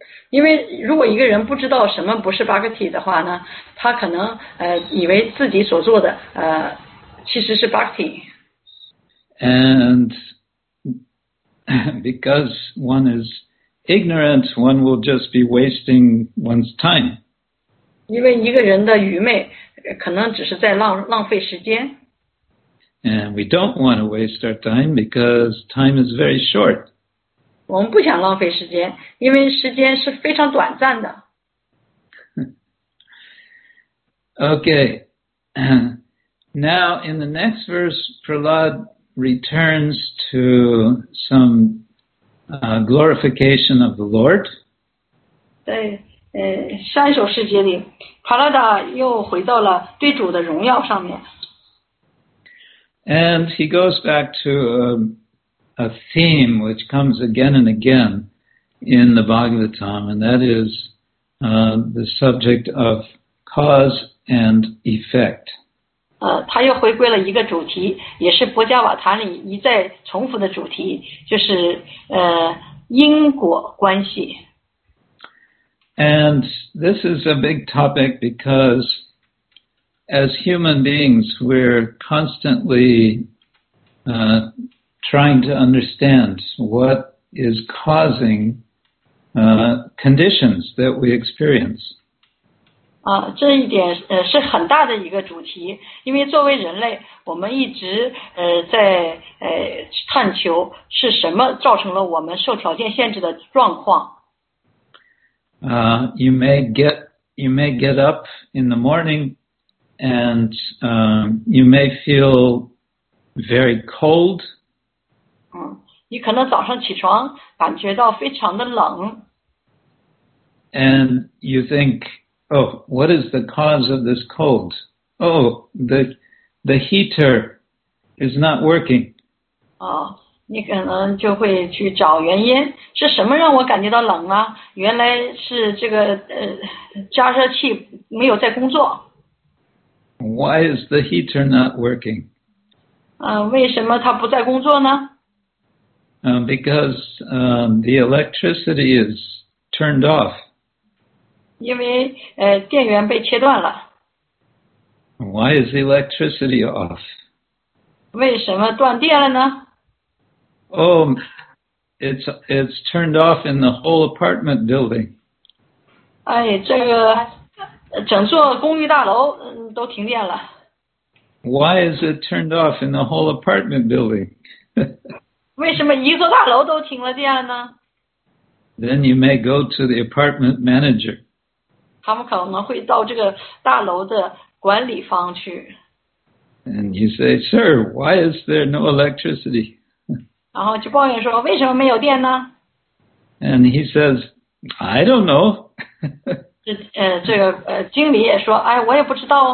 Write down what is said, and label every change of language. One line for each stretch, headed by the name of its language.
Chinese: 因为如果一个人不知道什么不是 Bhakti 的话呢，他可能以为自己所做的其实是 Bhakti。
English: And because one is ignorant, one will just be wasting one's time.
Chinese: 因为一个人的愚昧可能只是在浪费时间。
English: And we don't want to waste our time because time is very short.
Chinese: 我们不想浪费时间，因为时间是非常短暂的。
English: Okay. Now, in the next verse, Prahlad returns to some glorification of the Lord.
Chinese: 对，下一首诗节里，帕拉达又回到了对主的荣耀上面。
English: And he goes back to a theme which comes again and again in the Bhagavatam, and that is the subject of cause and effect.
Chinese: 他又回归了一个主题，也是博伽瓦塔里一再重复的主题，就是因果关系。
English: And this is a big topic because as human beings, we're constantly trying to understand what is causing conditions that we experience.
Chinese: 这一点是很大的一个主题，因为作为人类，我们一直在探求是什么造成了我们受条件限制的状况。
English: You may get up in the morning, and you may feel very cold.
Chinese: 你可能早上起床感觉到非常的冷。
English: And you think, oh, what is the cause of this cold? Oh, the heater is not working.
Chinese: 你可能就会去找原因，是什么让我感觉到冷啊？原来是这个加热器没有在工作。
English: Why is the heater not working?
Chinese: 为什么它不在工作呢？
English: Because the electricity is turned off.
Chinese: 因为电源被切断了。
English: Why is the electricity off?
Chinese: 为什么断电了呢？
English: Oh, it's turned off in the whole apartment building.
Chinese: 哎，这个整座公寓大楼都停电了。
English: Why is it turned off in the whole apartment building?
Chinese: 为什么一座大楼都停了电呢？
English: Then you may go to the apartment manager.
Chinese: 他们可能会到这个大楼的管理方去。
English: And you say, sir, why is there no electricity?
Chinese: 然后就抱怨说为什么没有电呢？
English: And he says, I don't know.
Chinese: 这个经理也说，哎，我也不知道